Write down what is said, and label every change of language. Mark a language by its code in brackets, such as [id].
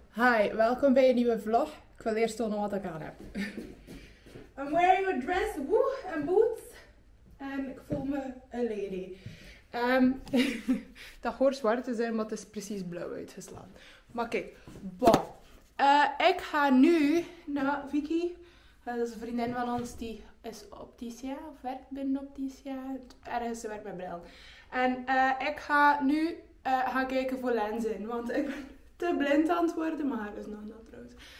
[nl] Hi, welkom bij een nieuwe vlog. Ik wil eerst tonen wat ik aan heb. [en] I'm wearing a dress, woe, en boots. [nl] En ik voel me een lady. dat hoort zwart te zijn, maar het is precies blauw uitgeslaan. Maar kijk, bon. Ik ga nu naar Vicky. Dat is een vriendin van ons, die is opticia, of werkt binnen opticia. Ergens, ze werkt met bril. En ik ga nu gaan kijken voor lenzen, want ik ben te blind aan het worden, maar haar is nog dat trouwens.